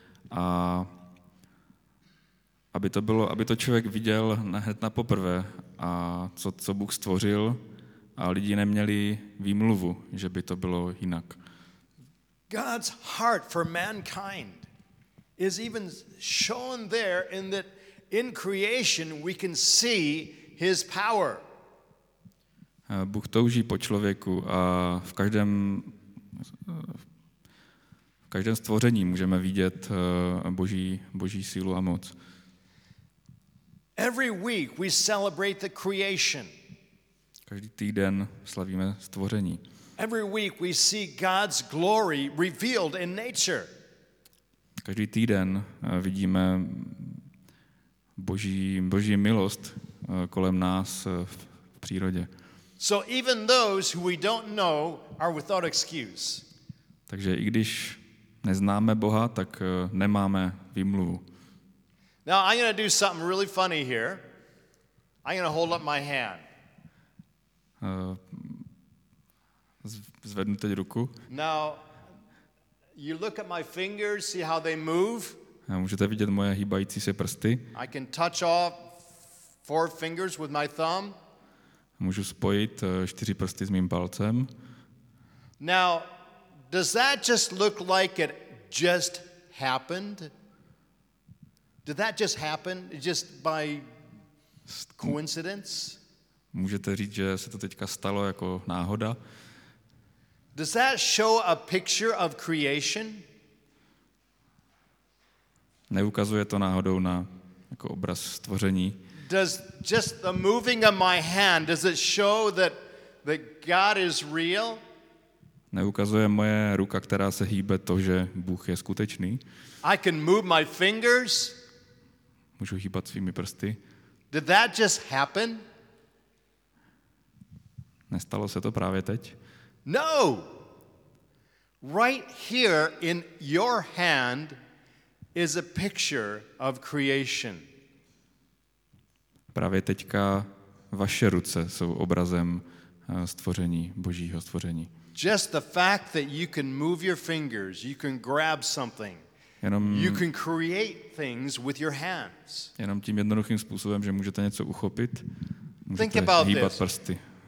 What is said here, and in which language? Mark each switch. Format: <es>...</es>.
<cs>A aby to člověk viděl hned na poprvé, a co Bůh stvořil, a lidi neměli výmluvu, že by to bylo jinak.</cs> <en>God's heart for mankind is even shown there in that in creation we can see his power.</en> <cs>Bůh touží po člověku a v každém stvoření můžeme vidět boží sílu a moc.</cs> <en>Every week we celebrate the creation.</en> <cs>Každý týden slavíme stvoření.</cs> <en>Every week we see God's glory revealed in nature.</en> <cs>Každý týden vidíme boží milost kolem nás v přírodě.</cs> <en>So even those who we don't know are without excuse.</en> <cs>Takže i když neznáme Boha, tak nemáme výmluvu.</cs> <en>Now I'm going to do something really funny here. I'm going to hold up my hand.</en> <cs>Zvednu teď ruku.</cs> <en>Now you look at my fingers, see how they move?</en> <cs>Můžete vidět moje hýbající se prsty?</cs> <en>I can touch off four fingers with my thumb.</en> <cs>Můžu spojit čtyři prsty s mým palcem.</cs> <en>Now does that just look like it just happened? Did that just happen just by coincidence?</en> <cs>Můžete říct, že se to teďka stalo jako náhoda?</cs> <en>Does that show a picture of creation?</en> <cs>Neukazuje to náhodou na jako obraz stvoření?</cs> <en>Does just the moving of my hand, does it show that God is real?</en> <cs>Neukazuje moje ruka, která se hýbe, to, že Bůh je skutečný?</cs> <en>I can move my fingers.</en> <cs>Můžu hýbat svými prsty.</cs> <en>Did that just happen?</en> <cs>Nestalo se to právě teď?</cs> <en>No. Right here in your hand is a picture of creation.</en> <cs>Právě teďka vaše ruce jsou obrazem stvoření, božího stvoření.</cs> <en>Just the fact that you can move your fingers, you can grab something. You can create things with your hands.</en> <cs>Jenom tím jednoduchým způsobem, že můžete něco uchopit, můžete hýbat prsty.</cs>